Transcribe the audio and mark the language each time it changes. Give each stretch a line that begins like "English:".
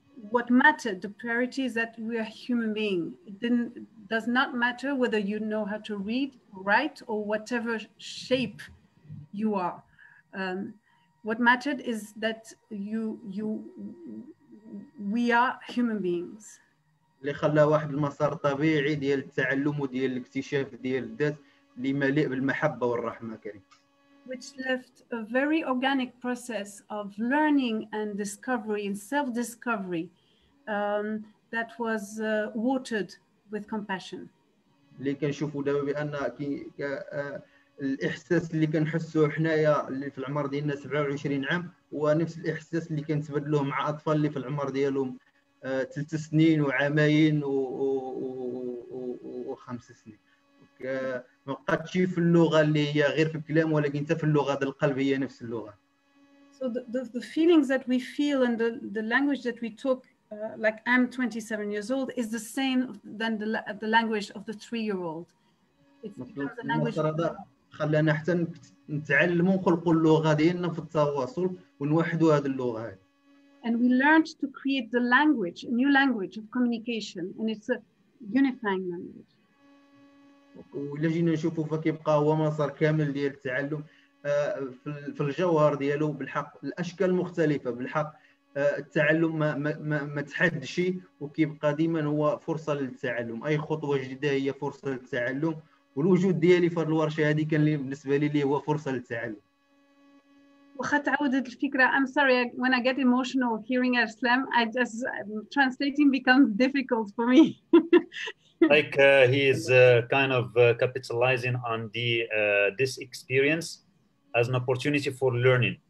English: What mattered, the priority is that we are human being. It does not matter whether you know how to read, write or whatever shape you are. What mattered is that we are human beings.
Arabic: اللي خلى واحد المسار طبيعي ديال التعلم وديال الاكتشاف ديال الذات اللي مليء بالمحبه والرحمه كريم.
English: Which left a very organic process of learning and discovery and self-discovery that was watered with compassion.
Arabic: اللي كنشوفوا دابا بان الاحساس اللي كنحسوا حنايا اللي في العمر ديالنا 27 عام هو نفس الاحساس اللي كنتبادلوه مع اطفال اللي في العمر ديالهم 3 سنين وعامين و 5 سنين ما بقاتش في اللغه اللي هي غير في الكلام ولكن حتى في اللغه ديال القلب هي نفس اللغه.
English: So the feelings that we feel and the language that we talk like I'm 27 years old is the same than the language of the 3 year old. It's the language
Arabic: خلانا حتى نتعلموا نخلقوا اللغه ديالنا في التواصل ونوحدوا هذه اللغه هذه.
English: And we learned to create the language, a new language of communication, and it's a unifying language.
Arabic: ولا جينا نشوفوا فكيبقى هو مسار كامل ديال التعلم في الجوهر ديالو بالحق الاشكال مختلفه بالحق التعلم ما تحدش وكيبقى ديما هو فرصه للتعلم اي خطوه جديده هي فرصه للتعلم. والوجود ديالي في الورشه هذه كان لي بالنسبه لي هو فرصه للتعلم. واخا تعاود هذه الفكره
English: I'm sorry when I get emotional hearing Islam I just translating becomes difficult for me. Like he is kind of capitalizing on the this experience as an opportunity for learning.